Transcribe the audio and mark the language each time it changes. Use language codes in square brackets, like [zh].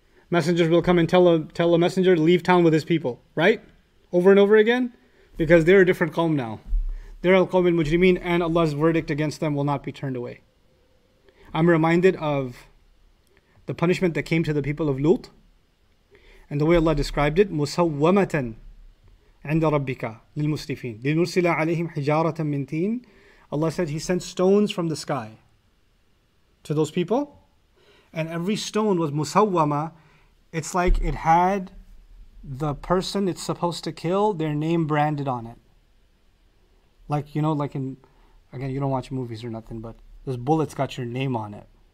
[en] Messengers will come and tell a messenger to leave town with his people. Right? Over and over again? Because they're a different qawm now. They're al-qawm al-mujrimeen, and Allah's verdict against them will not be turned away. I'm reminded of the punishment that came to the people of Lut. And the way Allah described it, [ar] مُسَوَّمَةً عِنْدَ رَبِّكَ لِلْمُسْرِفِينَ لِنُرْسِلَ عَلَيْهِمْ حِجَارَةً مِّن تِينَ. [en] Allah said He sent stones from the sky to those people. And every stone was musawwama. It's like it had the person it's supposed to kill, their name branded on it. Like, you know, like in, again, you don't watch movies or nothing, but those bullets got your name on it.